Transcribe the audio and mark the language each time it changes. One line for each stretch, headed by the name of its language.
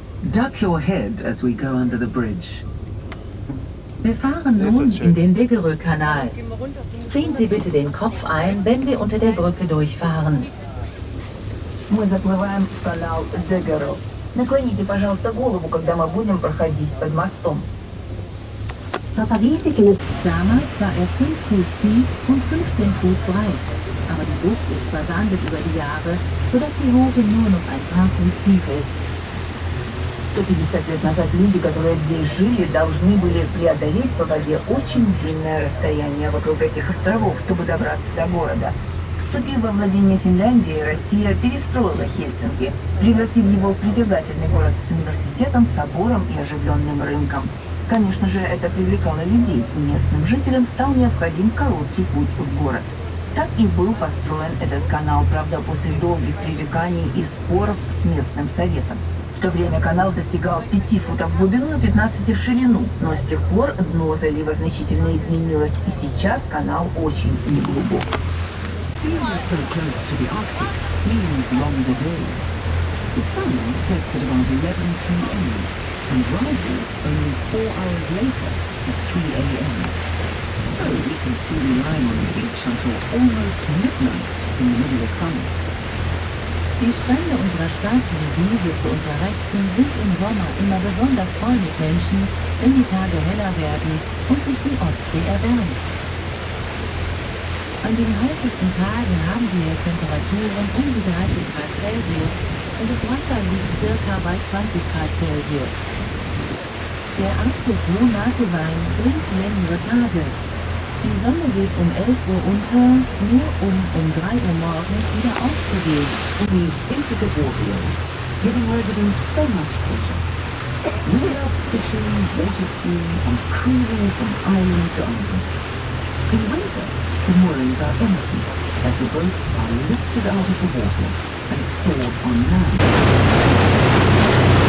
English: Duck your head as we go under the bridge.
German: Wir fahren nun in den Degera Kanal. Ziehen Sie bitte den Kopf ein, wenn wir unter der Brücke durchfahren.
Russian: Мы заплываем в канал Дегеро. Наклоните, пожалуйста, голову, когда мы будем проходить под мостом.
German: Damals war 5 Fuß tief und 15 Fuß breit. Aber die Bucht ist versandet über die Jahre, sodass die Hoge nur noch ein paar Fuß tief ist.
Russian: 150 лет назад люди, которые здесь жили, должны были преодолеть по воде очень длинное расстояние вокруг этих островов, чтобы добраться до города. Вступив во владение Финляндии, Россия перестроила Хельсинки, превратив его в притягательный город с университетом, собором и оживленным рынком. Конечно же, это привлекало людей, и местным жителям стал необходим короткий путь в город. Так и был построен этот канал, правда, после долгих пререканий и споров с местным советом. В то время канал достигал 5 футов в глубину и 15 в ширину, но с тех пор дно залива значительно изменилось, и сейчас канал очень неглубок.
English: And rises only 4 hours later at 3 a.m. So we can still be lying on the beach until almost midnight in the middle of summer.
German: Die Strände unserer Stadt, die Wiese zu unserer Rechten, sind im Sommer immer besonders voll mit Menschen, wenn die Tage heller werden und sich die Ostsee erwärmt. An den heißesten Tagen haben wir hier Temperaturen um die 30 Grad Celsius und das Wasser liegt circa bei 20 Grad Celsius. Der Arktis Monatewein bringt längere Tage. Die Sonne geht um 11 Uhr unter, nur um 3 Uhr morgens wieder aufzugehen.
English: Und these intricate waterways, giving residents so much pleasure. We are fishing, water skiing and cruising from island to island. In winter, the moorings are empty, as the boats are lifted out of the water and stored on land.